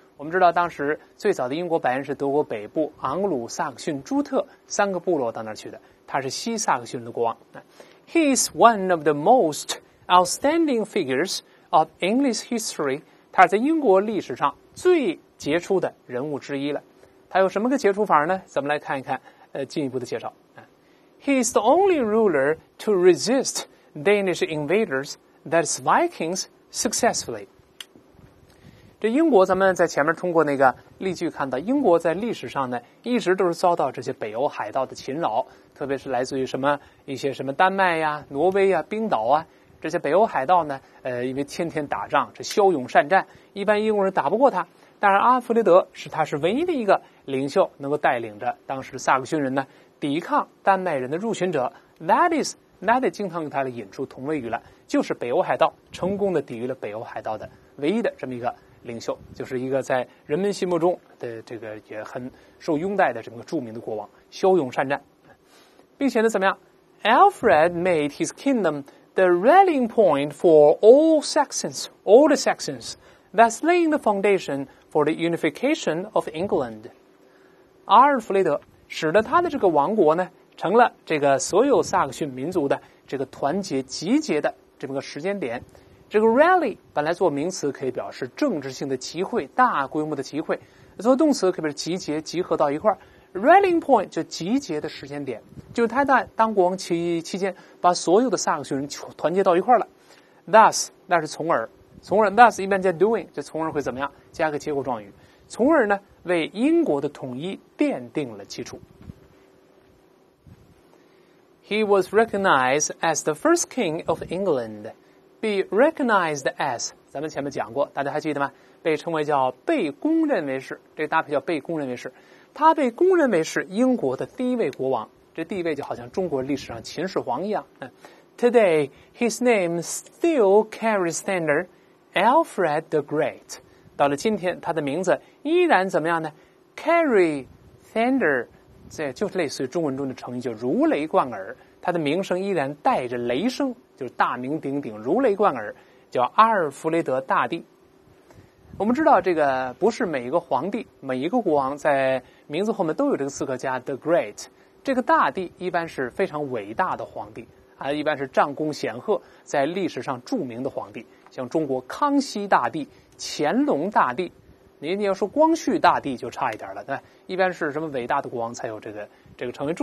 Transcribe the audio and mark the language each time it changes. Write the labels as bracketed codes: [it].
[zh] 我们知道当时最早的英国白人是德国北部昂鲁萨克逊朱特三个部落到那儿去的，他是西萨克逊人的国王。 [en] He is one of the most outstanding figures of English history， [zh] 他是在英国历史上最杰出的人物之一了。他有什么个杰出法呢？咱们来看一看进一步的介绍。 [en] He is the only ruler to resist Danish invaders, that's Vikings, successfully. [zh] 这英国咱们在前面通过那个例句看到，英国在历史上呢一直都是遭到这些北欧海盗的侵扰，特别是来自于什么一些什么丹麦呀、挪威呀、冰岛啊，这些北欧海盗呢因为天天打仗，这骁勇善战，一般英国人打不过他。但是阿尔弗雷德是他是唯一的一个领袖能够带领着当时萨克逊人呢抵抗丹麦人的入侵者。 That 经常用他的引出同位语了，就是北欧海盗，成功的抵御了北欧海盗的唯一的这么一个领袖，就是一个在人们心目中的这个也很受拥戴的这个著名的国王，骁勇善战。并且呢怎么样， [en] Alfred made his kingdom the rallying point for all Saxons, all the Saxons, thus laying the foundation for the unification of England. [zh] 阿尔弗雷德使得他的这个王国呢成了这个所有萨克逊民族的这个团结集结的这么个时间点。这个 rally 本来做名词可以表示政治性的集会，大规模的集会，做动词可以表示集结，集合到一块。 rallying point 就集结的时间点，就是他在当国王 期间把所有的萨克逊人团结到一块了。 thus 那是从而 thus 一般叫 doing， 就从而会怎么样，加个结果状语，从而呢为英国的统一奠定了基础。 [en] He was recognized as the first king of England. Be recognized as， [zh] 咱们前面讲过，大家还记得吗？被称为叫被公认为是，这搭配叫被公认为是，他被公认为是英国的第一位国王，这地位就好像中国历史上秦始皇一样。 [en] Today, his name still carries standard, Alfred the Great. [zh] 到了今天，他的名字依然怎么样呢？ [en] Carry thunder。 [zh] 这就是类似于中文中的成语，就如雷贯耳，他的名声依然带着雷声，就是大名鼎鼎，如雷贯耳，叫阿尔弗雷德大帝。我们知道这个不是每一个皇帝，每一个国王在名字后面都有这个刺客加 The Great， 这个大帝一般是非常伟大的皇帝啊，一般是战功显赫，在历史上著名的皇帝，像中国康熙大帝、乾隆大帝，你要说光绪大帝就差一点了，对吧？一般是什么伟大的国王才有这个称谓。